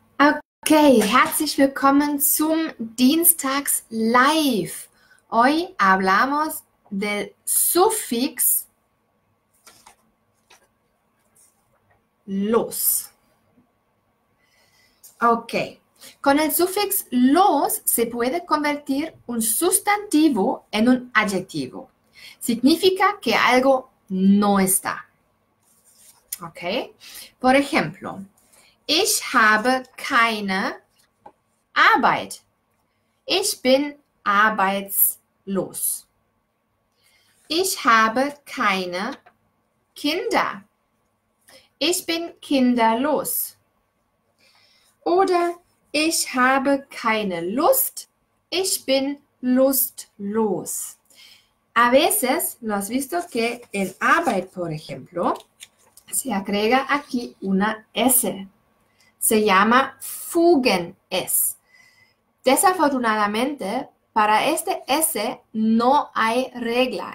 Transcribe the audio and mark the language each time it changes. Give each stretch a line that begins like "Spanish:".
German: Okay, herzlich willkommen zum Dienstags-Live.
Spanish: Hoy hablamos del Suffix los. Okay, con el Suffix los se puede convertir un sustantivo en un adjetivo. Significa que algo no está.
German: Okay,
Spanish: por ejemplo,
German: ich habe keine Arbeit. Ich bin arbeitslos. Ich habe keine Kinder. Ich bin kinderlos. Oder ich habe keine Lust. Ich bin lustlos.
Spanish: A veces, ¿lo has visto? Que en Arbeit, por ejemplo, se agrega aquí una S. Se llama fugen es. Desafortunadamente, para este S no hay regla.